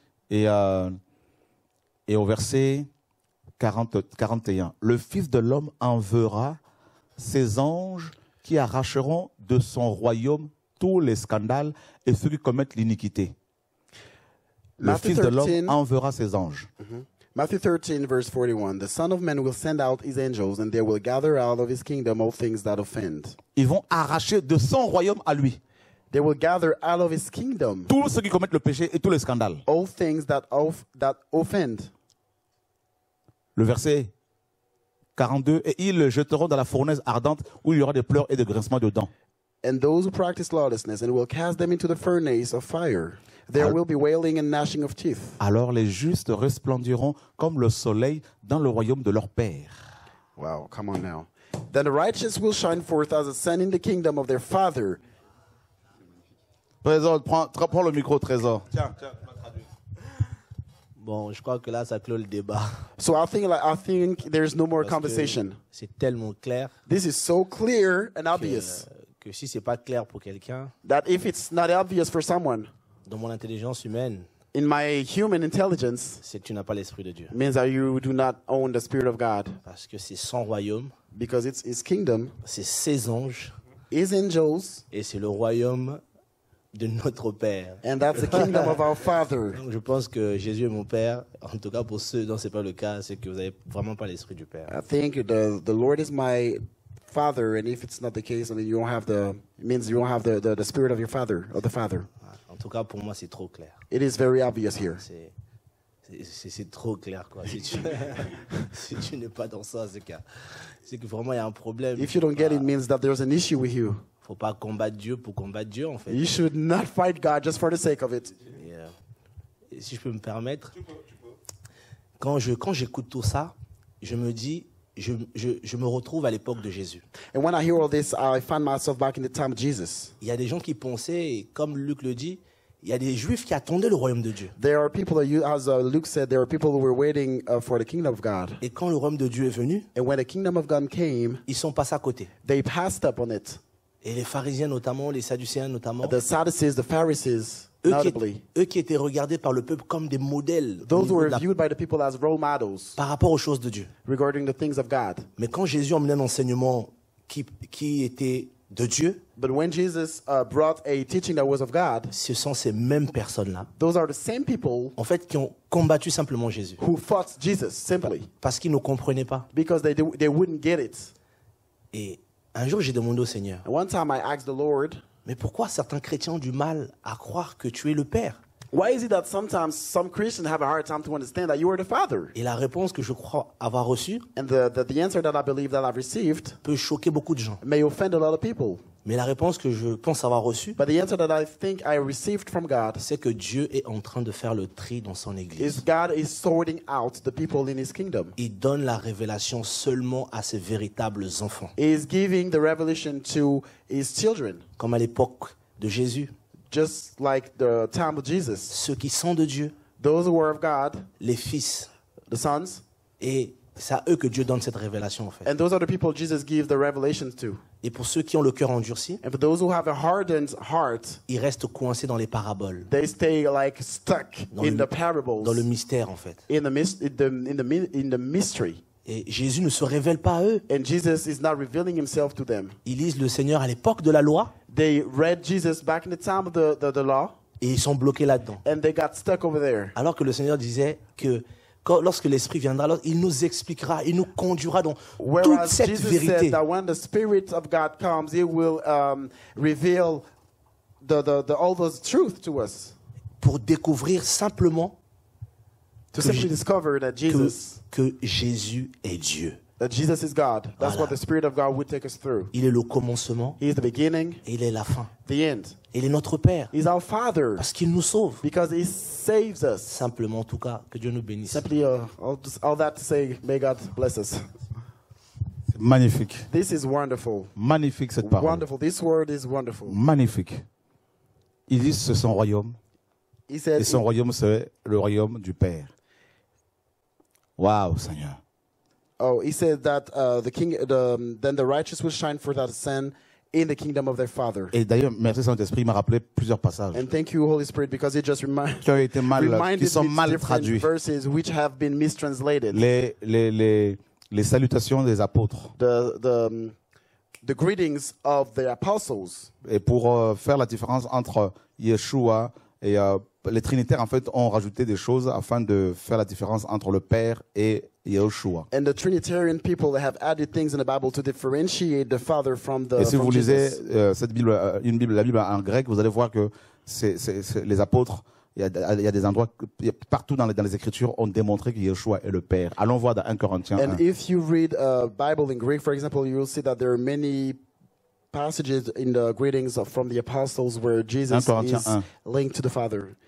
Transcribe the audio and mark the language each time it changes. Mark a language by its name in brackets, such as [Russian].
[French] Et au verset 41. Le Fils de l'homme enverra ses anges qui arracheront de son royaume tous les scandales et ceux qui commettent l'iniquité. Le Fils de l'homme enverra ses anges. [English] Mm-hmm. Matthew 13, verse 41. The Son of Man will send out his angels and they will gather out of his kingdom all things that offend. [French] Ils vont arracher de son royaume à lui. [English] They will gather out of his kingdom. [French] Tous ceux qui commettent le péché et tous les scandales. [English] All things that offend. [French] Le verset 42, et ils le jetteront dans la fournaise ardente où il y aura des pleurs et des grincements de dents. [English] And those who practice lawlessness and will cast them into the furnace of fire, there will be wailing and gnashing of teeth. [French] Alors les justes resplendiront comme le soleil dans le royaume de leur Père. [English] Wow, come on now. Then the righteous will shine forth as a sun in the kingdom of their Father. [French] Trésor, prends le micro, Trésor. Tiens. Bon, je crois que là, ça clôt le débat. [English] So I think there is no more conversation. [French] C'est tellement clair. [English] This is so clear and obvious. [French] Que si c'est pas clair pour quelqu'un. [English] That if it's not obvious for someone. [French] Dans mon intelligence humaine. [English] In my human intelligence. [French] C'est que tu n'as pas l'esprit de Dieu. [English] Means that you do not own the spirit of God. [French] Parce que c'est son royaume. [English] Because it's his kingdom. [French] C'est ses anges. [English] His angels. [French] Et c'est le royaume de notre Père. [English] And that's the kingdom of our Father. [French] Je pense que Jésus est mon Père. En tout cas, pour ceux dont c'est pas le cas, c'est que vous avez vraiment pas l'esprit du Père. [English] I think the Lord is my Father, and if it's not the case, then you don't have the it means you don't have the spirit of your Father or the Father. [French] En tout cas, pour moi, c'est trop clair. [English] It is very obvious here. [French] C'est trop clair, quoi. Si tu n'es pas dans ça, c'est que vraiment il y a un problème. [English] If you don't get it, means that there's an issue with you. [French] Faut pas combattre Dieu pour combattre Dieu, en fait. [English] You should not fight God just for the sake of it. Yeah. [French] Et si je peux me permettre, quand j'écoute tout ça, je me dis, je me retrouve à l'époque de Jésus. [English] And when I hear all this, I find myself back in the time of Jesus. [French] Il y a des gens qui pensaient, comme Luc le dit, il y a des Juifs qui attendaient le royaume de Dieu. [English] There are people that, as Luke said, there are people who were waiting for the kingdom of God. [French] Et quand le royaume de Dieu est venu, [English] and when the kingdom of God came, [French] ils sont passés à côté. [English] They passed up on it. [French] Et les pharisiens notamment, les sadducéens notamment. [English] The Sadducees, the Pharisees, notably. [French] Eux qui étaient regardés par le peuple comme des modèles. [English] Those who were viewed by the people as role models. [French] Par rapport aux choses de Dieu. [English] Regarding the things of God. [French] Mais quand Jésus emmenait un enseignement qui était de Dieu. [English] But when Jesus brought a teaching that was of God. [French] Ce sont ces mêmes personnes-là. [English] Those are the same people. [French] En fait, qui ont combattu simplement Jésus. [English] Who fought Jesus simply. [French] Parce qu'ils ne comprenaient pas. [English] Because they wouldn't get it. [French] Et un jour, j'ai demandé au Seigneur. [English] One time I asked the Lord, [French] mais pourquoi certains chrétiens ont du mal à croire que tu es le Père? [English] Why is it that sometimes some Christians have a hard time to understand that you are the Father? [French] Et la réponse que je crois avoir reçue, [English] and the answer that I believe that I've received, [French] peut choquer beaucoup de gens. [English] May offend a lot of people. [French] Mais la réponse que je pense avoir reçue, [English] but the answer that I think I received from God, [French] c'est que Dieu est en train de faire le tri dans son église. [English] Is God is sorting out the people in his kingdom. [French] Il donne la révélation seulement à ses véritables enfants. [English] He is giving the revelation to his children. [French] Comme à l'époque de Jésus. [English] Just like the time of Jesus. [French] Ceux qui sont de Dieu. [English] Those who are of God. [French] Les fils. [English] The sons. [French] Et c'est à eux que Dieu donne cette révélation, en fait. [English] And those are the people Jesus gives the revelations to. [French] Et pour ceux qui ont le cœur endurci. [English] And for those who have a hardened heart. [French] Ils restent coincés dans les paraboles. [English] They stay like stuck in the parables. [French] Dans le mystère, en fait. [English] In the mystery. [French] Et Jésus ne se révèle pas à eux. [English] And Jesus is not revealing himself to them. [French] Ils lisent le Seigneur à l'époque de la loi. [English] They read Jesus back in the time of the law. [French] Et ils sont bloqués là-dedans. [English] And they got stuck over there. [French] Alors que le Seigneur disait que quand, lorsque l'Esprit viendra, il nous expliquera, il nous conduira dans [English] whereas [French] toute cette [English] Jesus [French] vérité. [English] Whereas Jesus said that when the Spirit of God comes, he will reveal the all those truths to us. [French] Pour découvrir simplement [English] to simply discover that Jesus [French] que Jésus est Dieu. [English] That Jesus is God. That's [French] voilà. [English] What the Spirit of God would take us through. [French] Il est le commencement. [English] He is the beginning. [French] Et il est la fin. [English] The end. [French] Il est notre Père. [English] He is our Father. [French] Parce qu'il nous sauve. [English] Because he saves us. [French] Simplement, en tout cas, que Dieu nous bénisse. [English] Simply, all that to say, may God bless us. [French] Magnifique. [English] This is wonderful. [French] Magnifique cette parole. [English] Wonderful. This word is wonderful. [French] Magnifique. Il dit c'est son royaume. [English] He said, [French] et son royaume c'est le royaume du Père. Wow, Seigneur. [English] Oh, he said that then the righteous will shine forth as the sun in the kingdom of their father. [French] Et d'ailleurs, merci Saint-Esprit, il m'a rappelé plusieurs passages. [English] And thank you, Holy Spirit, because it just [French] qui ont été mal, qui sont mal traduits. [English] Verses which have been mistranslated. [French] Les salutations des apôtres. [English] The greetings of the apostles. [French] Et pour faire la différence entre Yeshua et les trinitaires, en fait, ont rajouté des choses afin de faire la différence entre le Père et Yeshua. [English] And the Trinitarian people they have added things in the Bible to differentiate the Father from the. [French] Et si vous lisez [English] Jesus. [French] Cette Bible, une Bible, la Bible en grec, vous allez voir que c'est les apôtres. Il y a des endroits partout dans les Écritures ont démontré que Yeshua est le Père. Allons voir dans 1 Corinthiens. [English] And 1. If you read a Bible in Greek, for example, you will see that there are many passages in the greetings from the apostles where Jesus is linked to the Father.